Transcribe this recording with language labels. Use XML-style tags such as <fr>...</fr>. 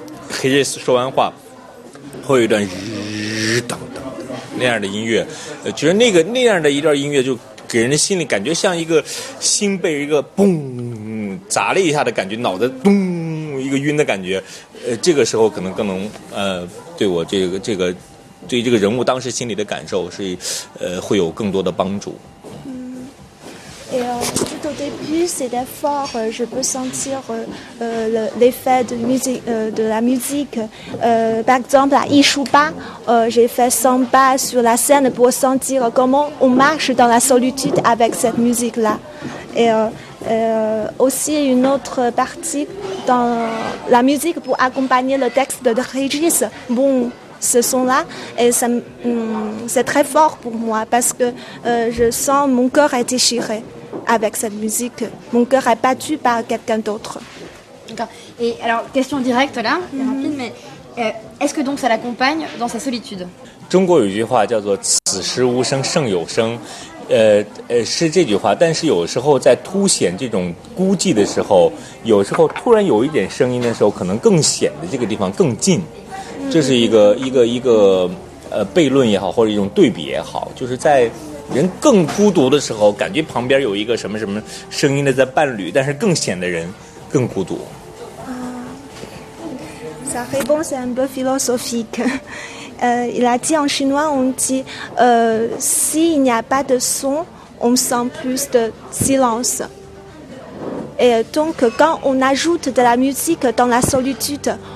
<zh>黑杰斯说完话会有一段日当当那样的音乐，觉得那样的一段音乐就给人的心里感觉像一个心被一个嘣砸了一下的感觉，脑袋咚一个晕的感觉，这个时候可能更能对我这个对这个人物当时心里的感受是会有更多的帮助。</zh> <fr>Tout au début, c'était fort. Je peux sentir l'effet de, de la musique. Par exemple, à Ishuba, j'ai fait 100 pas sur la scène pour sentir comment on marche dans la solitude avec cette musique-là. Et aussi une autre partie dans la musique pour accompagner le texte de Régis. Bon. Ce son-là, et ça, c'est très fort pour moi parce que je sens mon cœur est déchiré avec cette musique. Mon cœur est battu par quelqu'un d'autre. D'accord. Et alors, question directe là, rapide, mais est-ce que donc ça l'accompagne dans sa solitude ?</fr> <zh>中国有句话叫做“此时无声胜有声”，是这句话。但是有时候在凸显这种孤寂的时候，有时候突然有一点声音的时候，可能更显得这个地方更近。这是一个悖论也好，或者一种对比也好，就是在人更孤独的时候，感觉旁边有一个什么什么声音的在伴侣，但是更显得人更孤独。</zh> <fr>Ça répond, c'est un peu philosophique. Il a dit en chinois, on dit, s'il n'y a pas de son, on sent plus de silence. Et donc, quand on ajoute de la musique dans la solitude.</fr>